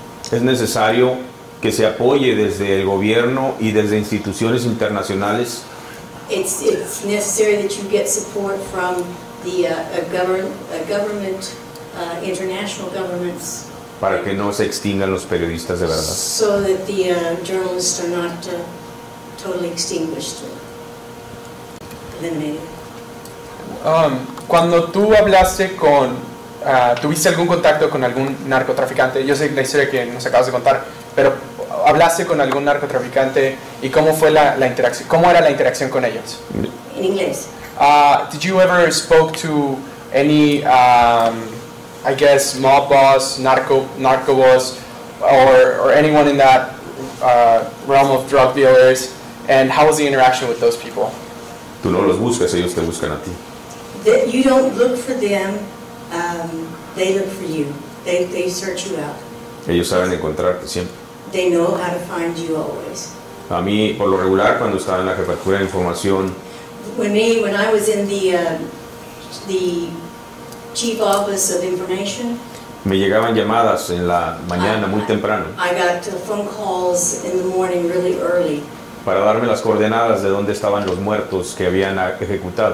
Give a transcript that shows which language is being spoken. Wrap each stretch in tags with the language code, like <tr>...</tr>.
<es>Es necesario que se apoye desde el gobierno y desde instituciones internacionales.</es> <en>It's necessary that you get support from the government international governments.</en> <es>Para que no se extingan los periodistas de verdad.</es> <en>So that the journalists are not totally extinguished, eliminated.</en> <es>Cuando tú hablaste con, tuviste algún contacto con algún narcotraficante, yo sé la historia que nos acabas de contar, pero hablaste con algún narcotraficante y cómo fue la interacción, cómo era la interacción con ellos. En inglés.</es> <en>Did you ever spoke to any, I guess, mob boss, narco boss, or anyone in that realm of drug dealers? And how was the interaction with those people?</en> <es>Tú no los buscas, ellos te buscan a ti.</es> <en>You don't look for them, they look for you. They search you out.</en> <es>Ellos saben encontrarte siempre.</es> <en>They know how to find you always.</en> <es>A mí, por lo regular, cuando estaba en la jefatura de información.</es> <en>When I was in the chief office of information.</en> <es>Me llegaban llamadas en la mañana, muy temprano.</es> <en>I got phone calls in the morning really early.</en> <es>Para darme las coordenadas de dónde estaban los muertos que habían ejecutado.</es>